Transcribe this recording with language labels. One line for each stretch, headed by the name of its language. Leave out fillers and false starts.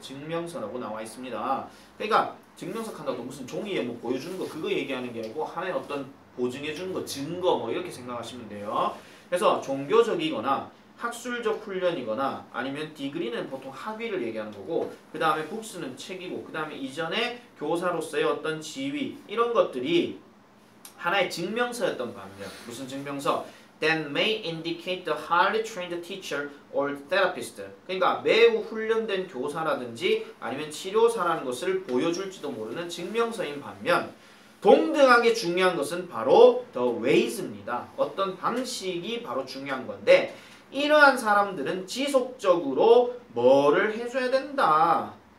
Korean: 증명서라고 나와있습니다. 그러니까 증명서 한다고 무슨 종이에 뭐 보여주는 거 그거 얘기하는 게 아니고 하나의 어떤 보증해주는 거 증거 뭐 이렇게 생각하시면 돼요. 그래서 종교적이거나 학술적 훈련이거나 아니면 디그리는 보통 학위를 얘기하는 거고 그 다음에 북스는 책이고 그 다음에 이전에 교사로서의 어떤 지위 이런 것들이 하나의 증명서였던 반면 무슨 증명서?
English: That may indicate the highly trained teacher or therapist.
Korean: 그러니까 매우 훈련된 교사라든지 아니면 치료사라는 것을 보여줄지도 모르는 증명서인 반면 동등하게 중요한 것은 바로 the ways입니다. 어떤 방식이 바로 중요한 건데 이러한 사람들은 지속적으로 뭐를 해줘야 된다.